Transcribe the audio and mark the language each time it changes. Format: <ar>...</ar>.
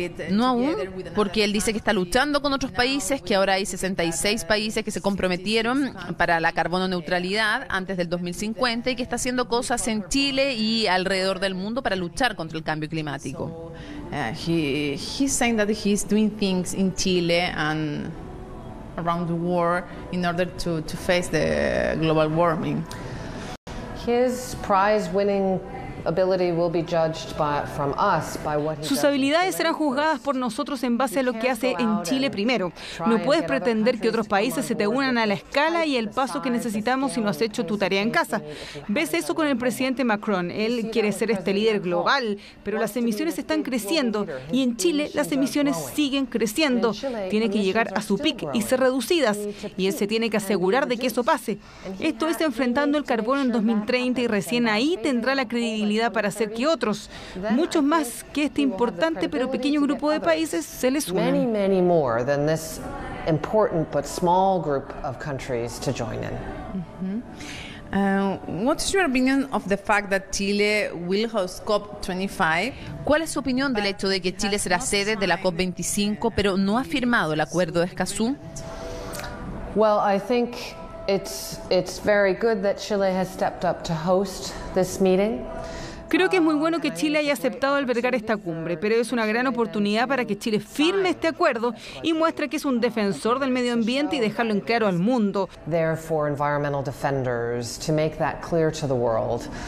<es>No aún, porque él dice que está luchando con otros países, que ahora hay 66 países que se comprometieron para la carbono neutralidad antes del 2050 y que está haciendo cosas en Chile y alrededor del mundo para luchar contra el cambio climático.</es> <en>He's saying that he's doing things in Chile and around the world in order to face the global warming. His prize-winning ability will be judged by from us by what</en> <es>sus habilidades serán juzgadas por nosotros en base a lo que hace en Chile primero. No puedes pretender que otros países se te unan a la escala y el paso que necesitamos si no has hecho tu tarea en casa. Ves eso con el presidente Macron. Él quiere ser este líder global, pero las emisiones están creciendo y en Chile las emisiones siguen creciendo. Tiene que llegar a su peak y ser reducidas y él se tiene que asegurar de que eso pase. Esto es enfrentando el carbón en 2030 y recién ahí tendrá la credibilidad para hacer que otros, muchos más que este importante pero pequeño grupo de países, se les unan.</es> <en>Many, many more than this important but small group of countries to join in. What is your opinion of the fact that Chile will host COP25?</en> <es>¿Cuál es su opinión del hecho de que Chile será sede de la COP25 pero no ha firmado el acuerdo de Escazú?</es> <en>Well, I think it's very good that Chile has stepped up to host this meeting.</en> <es>Creo que es muy bueno que Chile haya aceptado albergar esta cumbre, pero es una gran oportunidad para que Chile firme este acuerdo y muestre que es un defensor del medio ambiente y dejarlo en claro al mundo.</es> <en>Therefore, environmental defenders to make that clear to the world.</en>